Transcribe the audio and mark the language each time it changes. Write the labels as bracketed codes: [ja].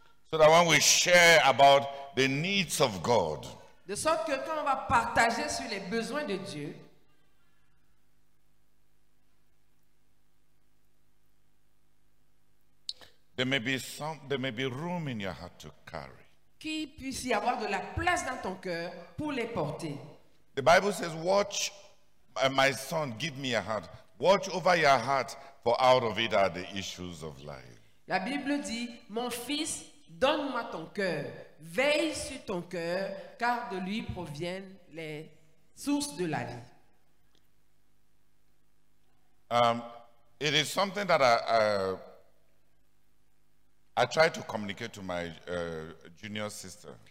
[en] So that when we share about the needs of God, [fr] de sorte que quand on va partager sur les besoins de Dieu, [en] there may be room in your heart to carry. [fr] Qu'il puisse y avoir de la place dans ton cœur pour les porter. [en] The Bible says, "Watch, my son, give me a heart. Watch over your heart, for out of it are the issues of life." [fr] La Bible dit, "Mon fils, donne-moi ton cœur. Veille sur ton cœur, car de lui proviennent les sources de la vie." [en] It is something that I try to communicate to my junior sister.